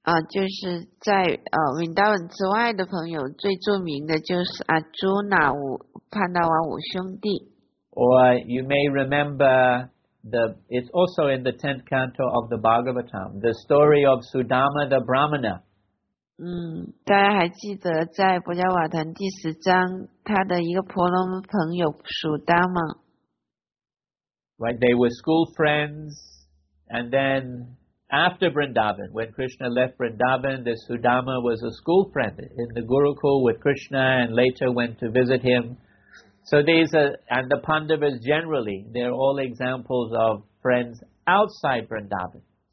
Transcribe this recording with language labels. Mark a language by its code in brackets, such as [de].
[zh] 就是在Vrindavan 之外的朋友，最著名的就是 Arjuna 潘达瓦五兄弟。 [en] Or you may remember. It's also in the 10th canto of the Bhagavatam, the story of Sudama the Brahmana. [zh] 大家还记得在《薄伽瓦谭》第十章，他的一个婆罗门朋友苏达吗？ [en] Right, they were school friends, and then after Vrindavan, when Krishna left Vrindavan, the Sudama was a school friend in the Gurukul with Krishna, and later went to visit him. So these are, and the Pandavas generally, they're all examples of friends outside Vrindavan.